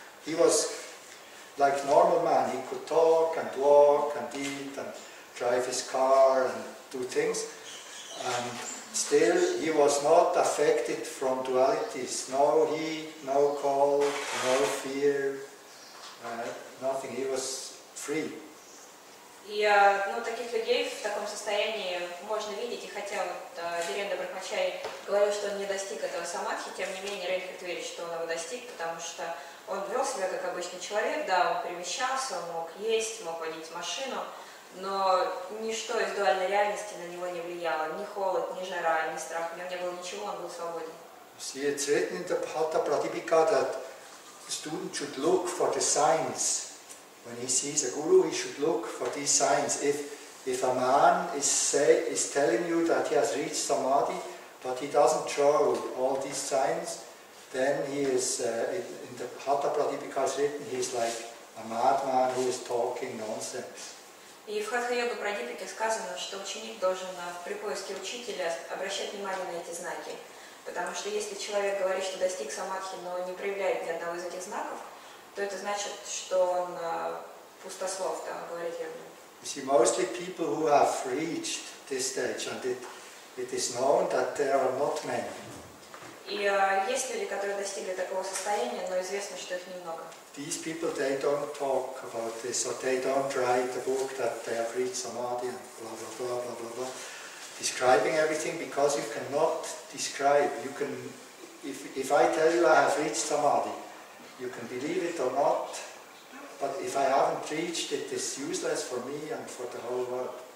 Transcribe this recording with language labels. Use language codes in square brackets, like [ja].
[en] He was like normal man. He could talk and walk and eat and drive his car and do things. And still he was not affected from dualities. No heat, no cold, no fear, nothing. He was [ru] Я, ну, таких людей в таком состоянии можно видеть, и хотя вот Вирендра Брахмачари говорил, что он не достиг этого самадхи, тем не менее Рейнхард верит, что он его достиг, потому что он вел себя как обычный человек, да, он перемещался, он мог есть, мог водить машину, но ничто из дуальной реальности на него не влияло, ни холод, ни жара, ни страх, у него не было ничего, он был свободен. [en] See, it's written in the Pata Pratipika that the student should look for the signs. When he sees a guru, he should look for these signs. If a man is telling you that he has reached samadhi, but he doesn't show all these signs, then he is in the Hatha Pratipika written, he is like a madman who is talking nonsense. [ru] И в Хатха Йога Прадипике сказано, что ученик должен при поиске учителя обращать внимание на эти знаки, потому что если человек говорит, что достиг самадхи, но не проявляет ни одного из этих знаков, то это значит, что он пустослов, там говорит ерунду. [en] You see, mostly people who have reached this stage, and it is known that there are not many. [ru] И есть люди, которые достигли такого состояния, но известно, что их немного. [en] These people, they don't talk about this, or they don't write a book that they have reached samadhi and blah blah blah blah blah blah, describing everything, because you cannot describe. You can, if I tell you I have reached samadhi, you can believe it or not, but if I haven't reached it, it's useless for me and for the whole world.